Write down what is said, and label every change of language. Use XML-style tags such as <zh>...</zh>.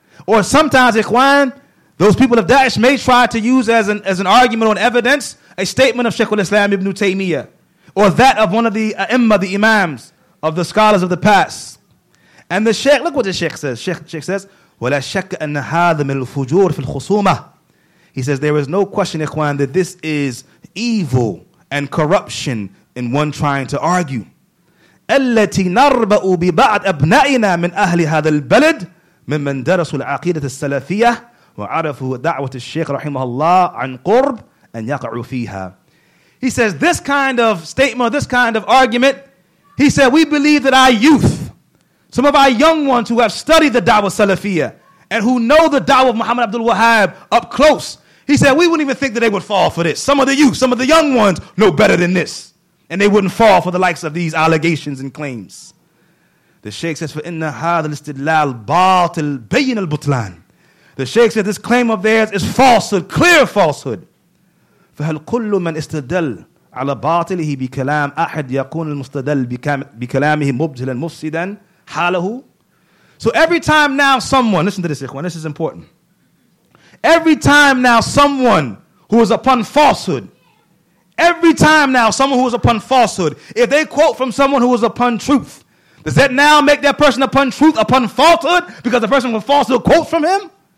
<en>Or sometimes, Ikhwan, those people of Daesh may try to use as an argument or an evidence a statement of Shaykh al-Islam ibn Taymiyyah, or that of one of the the imams of the scholars of the past. And the Shaykh, look what the Shaykh says. Shaykh says,</en> <ar>وَلَا شَكَّ أَنَّ هَذَا مِنْ الْفُجُورِ فِي الْخُصُومَةِ.</ar> <en>He says, there is no question, Ikhwan, that this is evil and corruption in one trying to argue.</en> <ar>التي نربأ ببعض أبنائنا من أهل هذا البلد ممن درسوا العقيدة السلفية وعرفوا دعوة الشيخ رحمه الله عن قرب أن يقعوا فيها.</ar> <en>He says, this kind of statement, this kind of argument, he said, we believe that our youth, some of our young ones who have studied the Dawah Salafiyah and who know the Dawah of Muhammad Abdul Wahhab up close, he said, we wouldn't even think that they would fall for this. Some of the youth, some of the young ones know better than this. And they wouldn't fall for the likes of these allegations and claims. The Sheikh says,</en> <ar>فَإِنَّ هَذَا الْإِسْتِدْلَالُ بَاطِلْ بَيِّنَ الْبُطْلَانِ.</ar> <en>The Sheikh says, this claim of theirs is falsehood, clear falsehood.</en> <ar>فَهَلْ كُلُّ مَنْ إِسْتَدَلْ عَلَى بَاطِلِهِ بِكَلَامِ أَحَدْ يَقُونَ الْمُسْتَدَلْ بِكَلَامِهِ مُبْدِلًا مُفْسِدًا حَالَهُ.</ar> <en>So every time now someone, listen to this, Ikhwan, this is important. Every time now someone who is upon falsehood, every time now someone who is upon falsehood, if they quote from someone who is upon truth, does that now make that person upon truth, upon falsehood, because the person with falsehood quote from him?</en>